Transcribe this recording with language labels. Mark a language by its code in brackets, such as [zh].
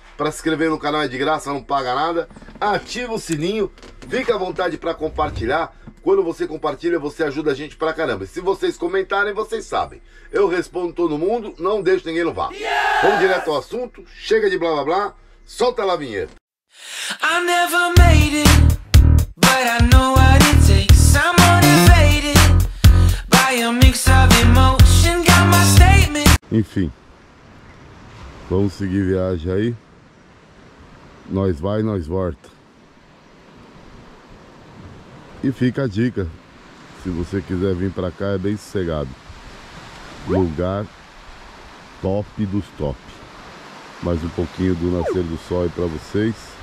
[pt] Para se inscrever no canal é de graça, não paga nada. Ativa o sininho, fica à vontade para compartilhar. Quando você compartilha, você ajuda a gente pra caramba. Se vocês comentarem, vocês sabem. Eu respondo todo mundo, não deixo ninguém no vácuo. Vamos direto ao assunto. Chega de blá blá blá. Solta lá a vinheta. [en] I never made it, but I know what it takes. I'm motivated by a mix of emotion, got my statement. [pt] Enfim, vamos seguir viagem aí. Nós vai, nós volta. E fica a dica, se você quiser vir pra cá, é bem sossegado. Lugar top dos top. Mais um pouquinho do nascer do sol aí pra vocês.